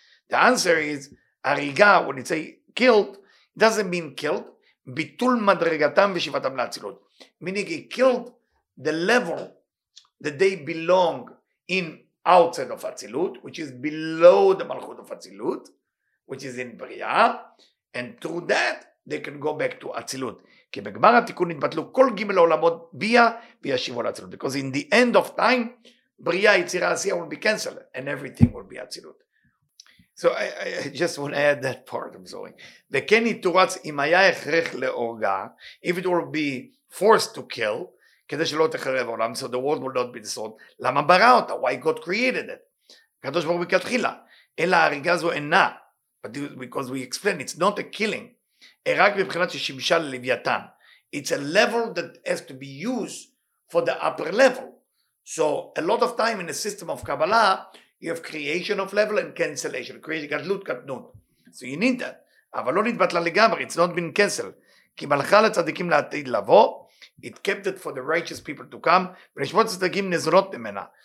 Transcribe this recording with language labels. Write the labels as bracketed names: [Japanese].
[English] The answer is, הריגה, when you say killed, doesn't mean killed, [Hebrew] ביטול מדרגתם ושיבתם להצילות. [English] Meaning he killed the level that they belong in, outside of Atzilut, which is below the Malchut of Atzilut, which is in Bria, and through that, they can go back to Atzilut. [Hebrew] כי בגמר התיקון התבטלו כל גימל העולמות ביה, וישיבו לאצילות. [English] Because in the end of time, Bria, יצירה עשייה, will be canceled, and everything will be Atzilut. So I just want to add that part, I'm sorry. [Hebrew] וכן יתורץ, אם היה הכרח להורגה, [English] if it will be forced to kill, [Hebrew] כדי שלא תחרב העולם, [English] so the world will not be destroyed. [Hebrew] למה ברא אותה? [English] Why God created it? [Hebrew] הקדוש ברוך הוא מכתחילה. אלא ההריגה הזו אינה, [English] because we explain, it's not a killing. [Hebrew] רק מבחינת ששימשה ללוויתן. [English] It's a level that has to be used for the upper level. So a lot of time in the system of Kabbalah, you have creation of level and cancellation. Creation, גדלות, קטנות. So you need that. [Hebrew] אבל לא נתבטלה לגמרי, [English] it's not been canceled. [Hebrew] כי מלכה לצדיקים לעתיד לבוא, [English] it kept it for the righteous people to come, [Hebrew] ונשמות צדיקים נזרות ממנה.